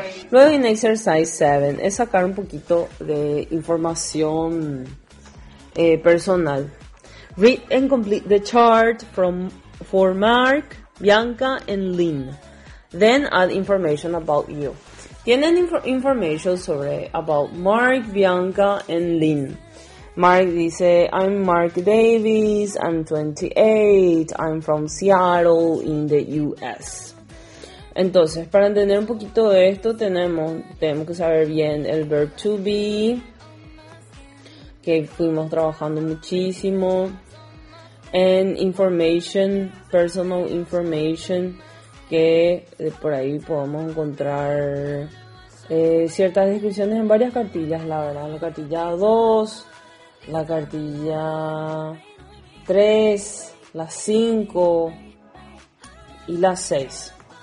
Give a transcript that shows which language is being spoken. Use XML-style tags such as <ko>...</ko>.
<es>Luego en</es> <en>exercise 7</en> <es>es sacar un poquito de información personal.</es> <en>Read and complete the chart for Mark, Bianca and Lynn. Then add information about you.</en> <es>Tienen information sobre</es> <en>about Mark, Bianca and Lynn.</en> <es>Mark dice,</es> <en>I'm Mark Davis, I'm 28, I'm from Seattle in the US.</en> <es>Entonces, para entender un poquito de esto, tenemos que saber bien el</es> <en>verb to be,</en> <es>que fuimos trabajando muchísimo,</es> <en>and information, personal information,</en> <es>que por ahí podemos encontrar ciertas descripciones en varias cartillas, la verdad, la cartilla 2, la cartilla 3, la 5 y la 6.</es>